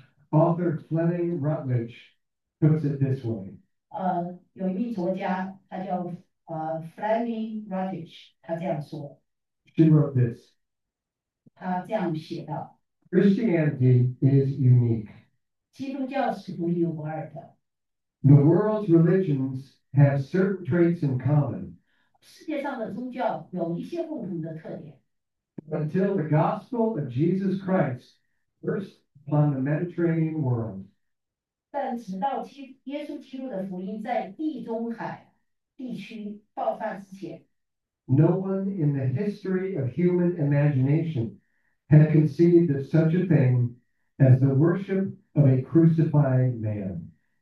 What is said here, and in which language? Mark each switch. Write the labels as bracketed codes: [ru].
[en] Author Fleming Rutledge puts it this way. [zh] 有一名作家，他叫Fleming Rutledge，他这样说。 [en] She wrote this. [zh] 他这样写道, [en] Christianity is unique. [zh] 基督教是独一无二的, [en] the world's religions have certain traits in common. [zh] 世界上的宗教有一些共同的特点, [en] until the gospel of Jesus Christ burst upon the Mediterranean world. [zh] 但直到耶稣基督的福音在地中海地区爆发之前, [en] no one in the history of human imagination had conceived of such a thing as the worship of a crucified man.